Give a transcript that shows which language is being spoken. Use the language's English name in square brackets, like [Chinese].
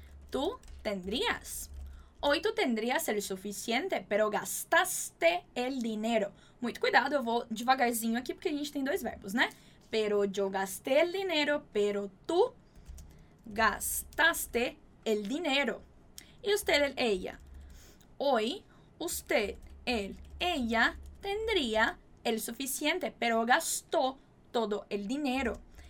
[Spanish] Tu tendrías el suficiente, pero gastaste el dinero. [Portuguese] Muito cuidado, eu vou devagarzinho aqui, porque a gente tem dois verbos, né? [Spanish] Pero yo gasté el dinero, pero tú gastaste el dinero. Y usted, él, ella. Hoy, usted, él, ella tendría el suficiente, pero gastó todo el dinero.